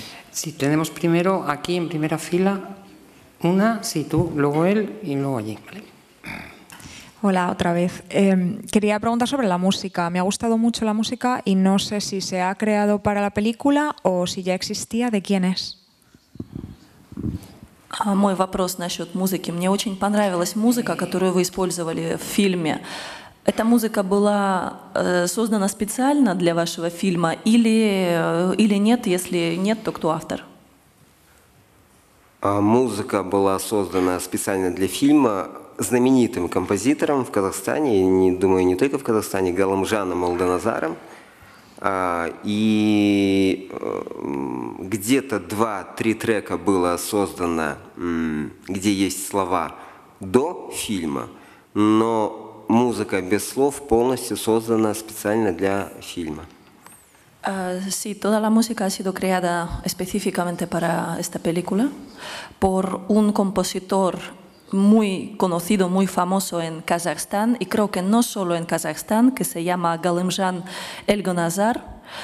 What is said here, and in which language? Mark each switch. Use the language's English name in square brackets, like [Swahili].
[Spanish] Sí, tenemos primero aquí en primera fila una, sí, tú, luego él y luego allí. ¿Vale? Hola, otra vez. Quería preguntar sobre la música. Me ha gustado mucho la música y no sé si se ha creado para la película o si ya existía, ¿de quién es? [Russian] Мой вопрос насчет музыки. Мне очень понравилась музыка, которую вы использовали в фильме. Эта музыка была создана специально для вашего фильма или нет? Если нет, то кто автор? Музыка была создана специально для фильма знаменитым композитором в Казахстане, не думаю, не только в Казахстане, Галымжаном Алданазаром. И где-то 2-3 трека было создано, где есть слова до фильма, но музыка без слов полностью создана специально для фильма. [Spanish] Sí, toda la música ha sido creada específicamente para esta película por un compositor muy conocido, muy famoso en Kazajstán y creo que no solo en Kazajstán, que se llama Galımjan Elganazar.